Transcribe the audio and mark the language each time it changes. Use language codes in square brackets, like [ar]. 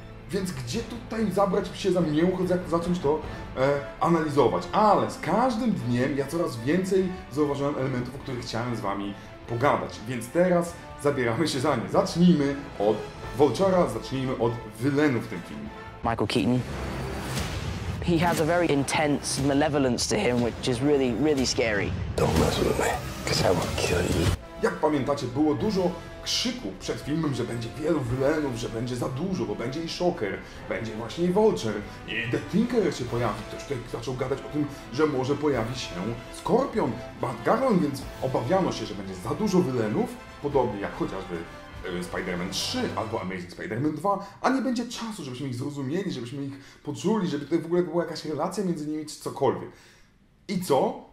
[pl] Więc gdzie tutaj zabrać się za mięch, jak zacząć to analizować? Ale z każdym dniem ja coraz więcej zauważyłem elementów, o których chciałem z wami pogadać. Więc teraz zabieramy się za nie. Zacznijmy od Vulture'a, zacznijmy od Villainu w tym filmie. Michael Keaton. [en] He has a very intense malevolence to him, which is really, really scary. Don't mess with me, because I will kill you. [pl] Jak pamiętacie, było dużo krzyku przed filmem, że będzie wielu Villainów, że będzie za dużo, bo będzie i Shocker, będzie właśnie i Vulture, i The Tinker się pojawi. Ktoś tutaj zaczął gadać o tym, że może pojawi się Scorpion, Bad Garland, więc obawiano się, że będzie za dużo Villainów, podobnie jak chociażby Spider-Man 3 albo Amazing Spider-Man 2, a nie będzie czasu, żebyśmy ich zrozumieli, żebyśmy ich poczuli, żeby tutaj w ogóle była jakaś relacja między nimi czy cokolwiek. I co?